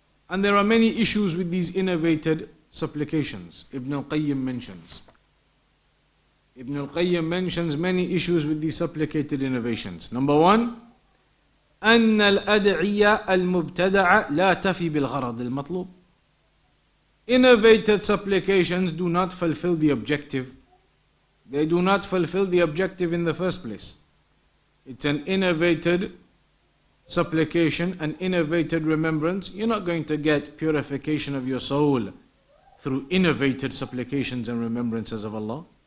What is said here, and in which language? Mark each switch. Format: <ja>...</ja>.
<en>And there are many issues with these innovated supplications. Ibn al-Qayyim mentions. Ibn al-Qayyim mentions many issues with these supplicated innovations. Number one,</en> <ar>أن الأدعية المبتدعة لا تفي بالغرض المطلوب.</ar> <en>Innovated supplications do not fulfill the objective. They do not fulfill the objective in the first place. It's an innovated supplication, an innovated remembrance. You're not going to get purification of your soul through innovated supplications and remembrances of Allah.</en>